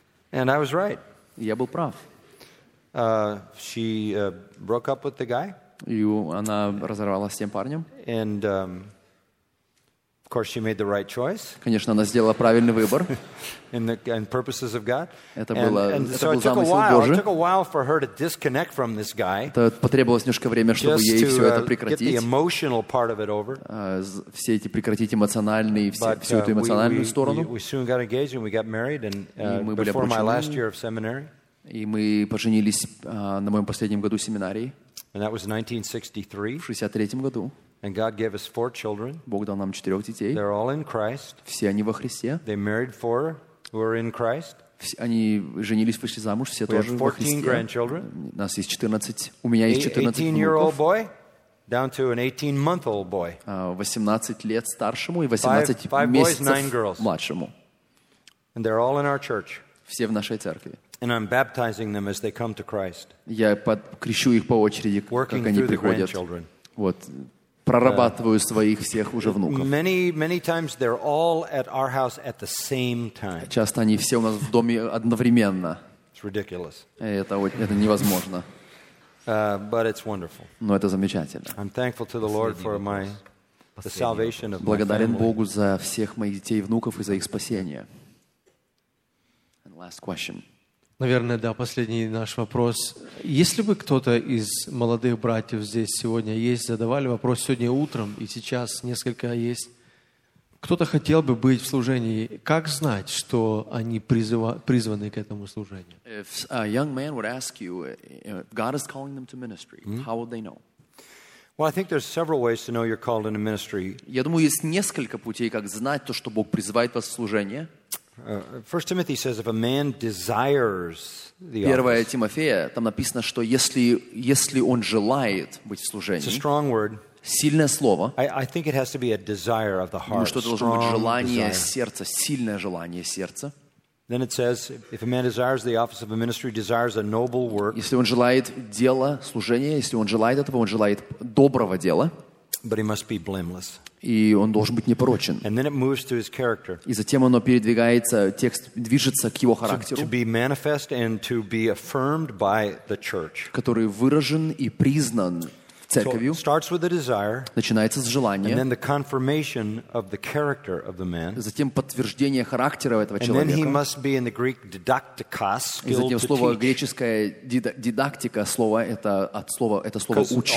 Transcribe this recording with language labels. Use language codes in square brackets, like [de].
[en] And I was right. [ru] Я был прав. [en] She broke up with the guy. [ru] И она разорвалась с тем парнем. [en] And of course she made the right choice. [ru] Конечно, она сделала правильный выбор. [en] In purposes of God. [ru] Это было, [en] and [ru] это [en] so [ru] был [en] it took a while. It took a while for her to disconnect from this guy. [ru] Это потребовалось немножко время, чтобы ей все это прекратить. [en] Get the emotional part of it over. [ru] Все эти прекратить эмоциональные, всю эту эмоциональную сторону. [en] We soon got engaged and we got married, and before my last year of seminary. [ru] И мы поженились на моем последнем году семинарии. [en] And that was 1963. [ru] В 63-м году. [en] And God gave us four children. [ru] Бог дал нам четырех детей. [en] They're all in Christ. [ru] Все они во Христе. [en] They married four who are in Christ. [ru] Они женились, вышли замуж, все [en] we [ru] тоже во Христе. [en] We have 14 grandchildren. [ru] У нас есть 14. У меня есть 14 внуков. [en] 18-year-old boy down to an 18-month-old boy. [ru] 18 лет старшему и 18 месяцев младшему. [en] And they're all in our church. [ru] Все в нашей церкви. [en] And I'm baptizing them as they come to Christ. [ru] Я крещу их по очереди, как они приходят. Вот. Прорабатываю своих всех уже внуков. [en] Many, many times they're all at our house at the same time. [ru] Часто они все у нас в доме одновременно. [en] It's ridiculous. [ru] Это невозможно. [en] But it's wonderful. [ru] Но это замечательно. [en] I'm thankful to the Lord for my the salvation of my [ru] Благодарен Богу за всех моих детей и внуков и за их спасение. [en] And last question. [ru] Наверное, да, последний наш вопрос. Если бы кто-то из молодых братьев здесь сегодня есть, задавали вопрос сегодня утром, и сейчас несколько есть, кто-то хотел бы быть в служении, как знать, что они призваны к этому служению? [en] If a young man would ask you, God is calling them to ministry, how would they know? Well, I think there's several ways to know you're called into ministry. [ru] Я думаю, есть несколько путей, как знать то, что Бог призывает вас в служение. [en] 1 Timothy says if a man desires the office. [ru] 1 Тимофея, там написано, что если он желает быть в служении. [en] It's a strong word. [ru] Сильное слово. [en] I think it has to be a desire of the heart. [ru] Ну, что должно быть желание сердца, сильное желание сердца. [en] Then it says if a man desires the office of a ministry, desires a noble work. [ru] Если он желает дела служения, если он желает этого, он желает доброго дела. [en] But he must be blameless. [ru] И он должен быть непорочен. [en] And then it moves to his character. [ru] И затем оно передвигается, текст движется к его характеру. [en] To be manifest and to be affirmed by the church. [ru] Который выражен и признан церковью. [en] So it starts with a desire. [ru] Начинается с желания. [en] And then the confirmation of the character of the man. [ru] Затем подтверждение характера этого человека. [en] And then he must be in the Greek didaktikos. [ru] И затем слово греческое дидактика, слово это от слова это слово учить.